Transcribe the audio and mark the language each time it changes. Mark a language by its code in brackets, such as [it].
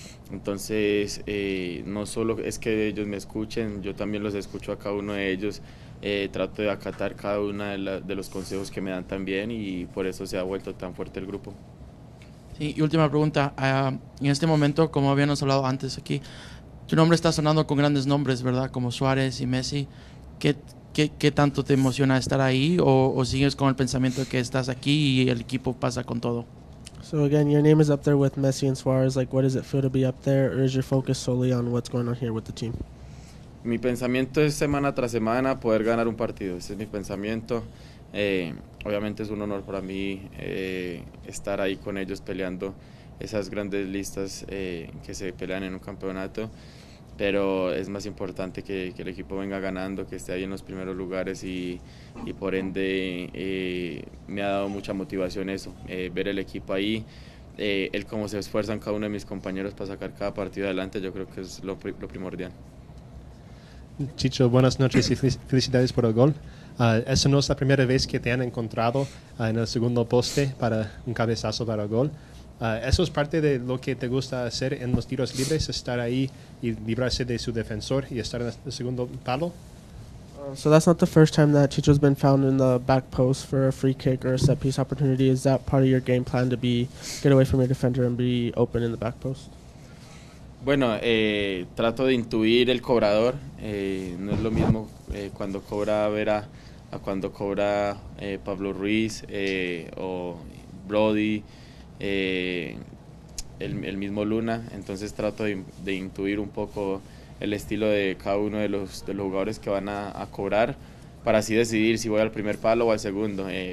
[es] Entonces, no solo es que ellos me escuchen, yo también los escucho a cada uno de ellos, trato de acatar cada uno de los consejos que me dan también y por eso se ha vuelto tan fuerte el grupo. Sí, y última pregunta, en este momento, como habíamos hablado antes aquí, tu nombre está sonando con grandes nombres, ¿verdad? Como Suárez y Messi. ¿Qué tanto te emociona estar ahí o sigues con el pensamiento de que estás aquí y el equipo pasa con todo? [en] So again, your name is up there with Messi and Suarez. Like, what does it feel to be up there, or is your focus solely on what's going on here with the team? [es] Mi pensamiento es semana tras semana poder ganar un partido, ese es mi pensamiento. Obviamente es un honor para mí estar ahí con ellos peleando esas grandes listas que se pelean en un campeonato, pero es más importante que el equipo venga ganando, que esté ahí en los primeros lugares y por ende me ha dado mucha motivación eso, ver el equipo ahí. El cómo se esfuerzan cada uno de mis compañeros para sacar cada partido adelante, yo creo que es lo primordial. Chicho, buenas noches y felicidades por el gol. Eso no es la primera vez que te han encontrado en el segundo poste para un cabezazo para el gol. ¿Eso es parte de lo que te gusta hacer en los tiros libres, estar ahí y librarse de su defensor y estar en el segundo palo? [en] So that's not the first time that Chicho's been found in the back post for a free kick or a set piece opportunity. Is that part of your game plan to be get away from your defender and be open in the back post? [es] Bueno, trato de intuir el cobrador. No es lo mismo cuando cobra Vera a cuando cobra Pablo Ruiz o Brody, el mismo Luna. Entonces trato de intuir un poco el estilo de cada uno de los jugadores que van a cobrar, para así decidir si voy al primer palo o al segundo.